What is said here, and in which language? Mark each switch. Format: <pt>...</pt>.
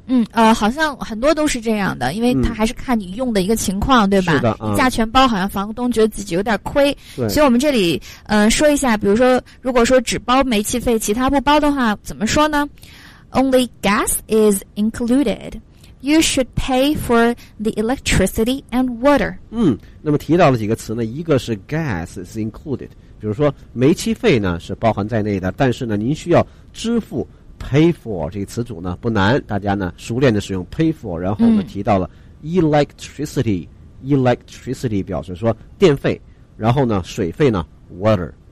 <zh>嗯，好像很多都是这样的，因为他还是看你用的一个情况，嗯、对吧？是的，一价全包，好像房东觉得自己有点亏。对。所以我们这里，说一下，比如说，如果说只包煤气费，其他不包的话，怎么说呢 ？</zh> <en>Only gas is included. You should pay for the electricity and water.</en> <zh>那么提到了几个词呢，一个是 gas is included， 比如说煤气费呢是包含在内的，但是呢您需要支付 pay for， 这个词组呢不难，大家呢熟练的使用 pay for， 然后呢提到了 electricity， electricity 表示说电费，然后呢水费呢 water。</zh>